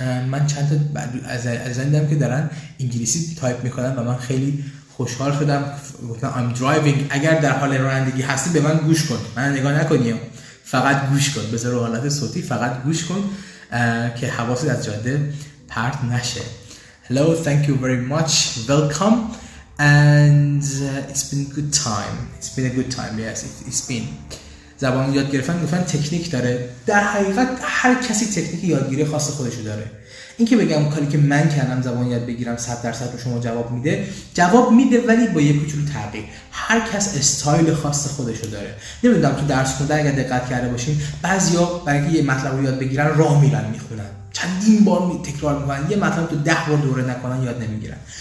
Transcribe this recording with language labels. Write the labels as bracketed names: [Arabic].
[Persian] من چند تا عزیزان دارم که دارن انگلیسی تایپ میکنن و من خیلی خوشحال شدم، گفتم [English] I'm driving. [Persian] اگر در حال رانندگی هستی به من گوش کن، من نگاه نکنیم، فقط گوش کن، بذار حالت صوتی، فقط گوش کن که حواست از جاده پرت نشه. [English] Hello, thank you very much, welcome, and it's been good time, it's been a good time, yes, it's been. [Persian] زبان یاد گرفتن گفتن تکنیک داره، در حقیقت هر کسی تکنیک یادگیری خاص خودشو داره. این که بگم کاری که من کردم زبان یاد بگیرم 100% رو شما جواب میده، جواب میده ولی با یه کوچولو تغییر. هر کس استایل خاص خودشو داره. نمیدونم تو درس خوندن اگه دقت کرده باشین، بعضیا برای اینکه یه مطلب رو یاد بگیرن راه میرن میخونن، چندین بار تکرار میکنن، یه مطلب تو 10 بار دوره نکنن یاد نمیگیرن.